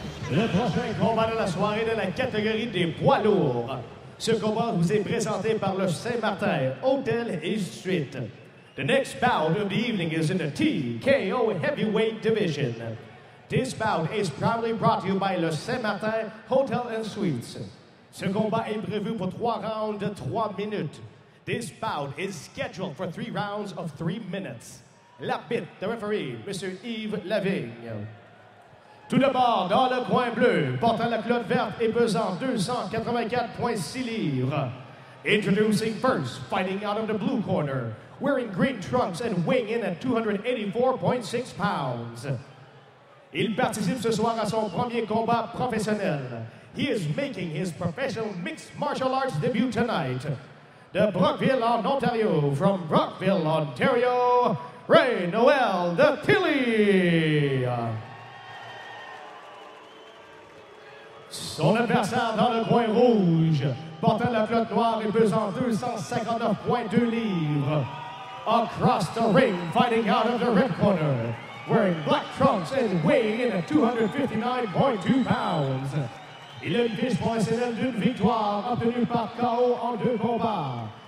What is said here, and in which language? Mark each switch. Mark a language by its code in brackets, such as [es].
[fr] Le prochain combat de la soirée de la catégorie des poids lourds. Ce combat vous est présenté par le Saint-Martin Hotel et Suite. [en] The next bout of the evening is in the TKO Heavyweight Division. This bout is proudly brought to you by le Saint-Martin Hotel and Suites. [fr] Ce combat est prévu pour 3 rounds de 3 minutes. [en] This bout is scheduled for 3 rounds of 3 minutes. L'arbitre, the referee, Mr. Yves Lavigne. [fr] Tout d'abord, dans le coin bleu, portant la culotte verte et pesant 284,6 livres. [en] Introducing first, fighting out of the blue corner, wearing green trunks and weighing in at 284,6 pounds. [fr] Il participe ce soir à son premier combat professionnel. [en] He is making his professional mixed martial arts debut tonight. [fr] De Brockville, en Ontario, [en] from Brockville, Ontario, [fr] Ray Noel, the Pilly! Son adversaire dans le coin rouge, portant la pelote noire et pesant 259.2 livres. [en] Across the ring, fighting out of the red corner, wearing black trunks and weighing in at 259.2 pounds. [fr] Il a une fiche professionnelle d'une victoire obtenue par KO en deux combats.